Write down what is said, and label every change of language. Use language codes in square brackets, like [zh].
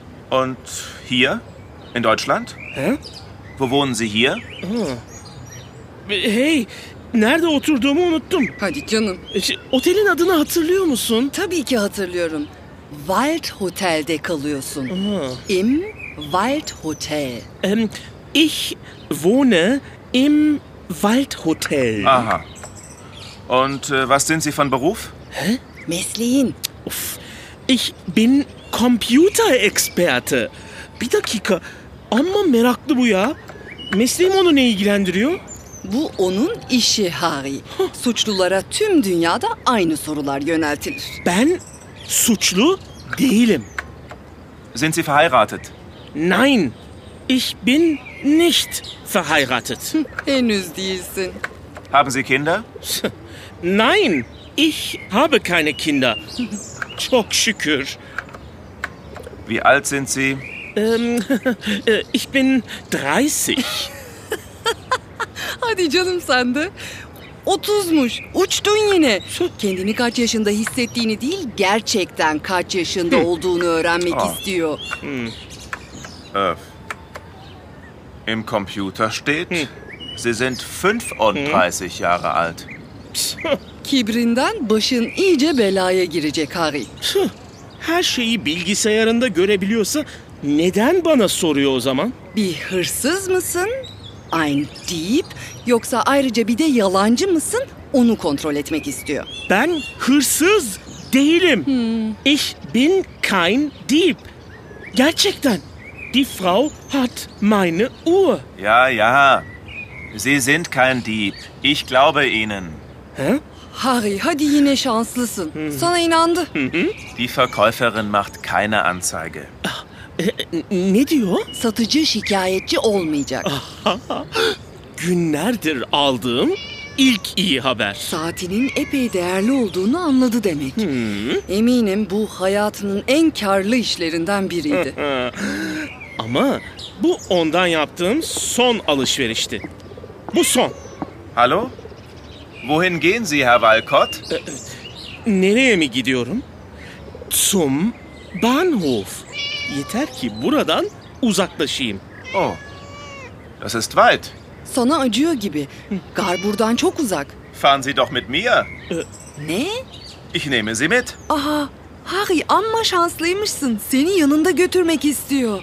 [de] Und hier, in Deutschland? Hä? Wo wohnen Sie hier? Oh. [tr] Hey, nerede oturduğumu unuttum. Hadi canım. Otelin adını hatırlıyor musun? Tabii ki hatırlıyorum. Wald Hotel'de kalıyorsun. [de] Im Wald Hotel. Ich wohne im Wald Hotel. Aha. Und was sind Sie von Beruf? [tr] Hä? Mesleğin. Uf. [de] Ich bin Computerexperte. [tr] Bir dakika. Amma meraklı bu ya. Mesleğim onu ne ilgilendiriyor? Bu onun işi Harry. Suçlulara tüm dünyada aynı sorular yöneltilir. Ben suçlu değilim. [de] Sind Sie verheiratet? Nein, ich bin nicht verheiratet. [tr] Henüz değilsin. [de] Haben Sie Kinder? Nein, ich habe keine Kinder. [tr] Çok şükür. [de] Wie alt sind Sie? Ich bin 30. [tr] Hadi canım sende. 30'muş. Uçtun yine. Kendini kaç yaşında hissettiğini değil, gerçekten kaç yaşında olduğunu öğrenmek istiyor. [de] Im Computer steht, Sie sind 35 Jahre alt. [tr] Kibrinden başın iyice belaya girecek Harry. Her şeyi bilgisayarında görebiliyorsa neden bana soruyor o zaman? Bir hırsız mısın? [de] Ein Dieb, [tr] yoksa ayrıca bir de yalancı mısın? Onu kontrol etmek istiyor. Ben hırsız değilim. [de] Ich bin kein Dieb. [tr] Gerçekten. [de] Die Frau hat meine Uhr. Ja, ja. Sie sind kein Dieb. Ich glaube Ihnen. Hä? [tr] Harry, hadi yine şanslısın. Hm. Sana inandı. [de] Die Verkäuferin macht keine Anzeige. [tr] Ne diyor? Satıcı şikayetçi olmayacak. Günlerdir aldığım ilk iyi haber. Saatinin epey değerli olduğunu anladı demek. Hmm. Eminim bu hayatının en karlı işlerinden biriydi. Ama bu ondan yaptığım son alışverişti. Bu son. [de] Hallo? Wohin gehen Sie, Herr Walcott? [tr] Nereye mi gidiyorum? [de] Zum Bahnhof. [tr] Yeter ki buradan uzaklaşayım. [de] Oh, das ist weit. [tr] Sana acıyor gibi. Gar buradan çok uzak. [de] Fahren Sie doch mit mir. [tr] Ne? [de] Ich nehme Sie mit. [tr] Aha, Harry amma şanslıymışsın. Seni yanında götürmek istiyor.